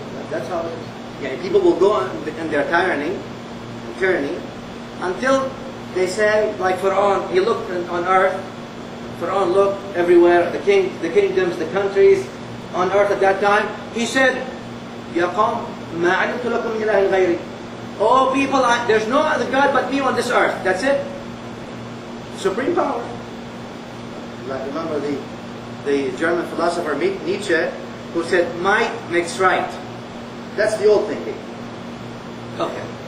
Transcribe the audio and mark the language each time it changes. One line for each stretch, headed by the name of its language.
English: That's how it is. Yeah, people will go on in their tyranny, until they say, like Fir'aun, he looked on earth. Fir'aun looked everywhere, the king, the kingdoms, the countries on earth at that time. He said,
Arabic: يَا قَوْمْ مَا عَلِمْتُ لَكُمْ مِنْ إِلَهٍ غَيْرِي.
English: Oh people, there's no other God but me on this earth. That's it. Supreme power. Like, remember the German philosopher Nietzsche, who said, might makes right. That's the old thinking. Okay.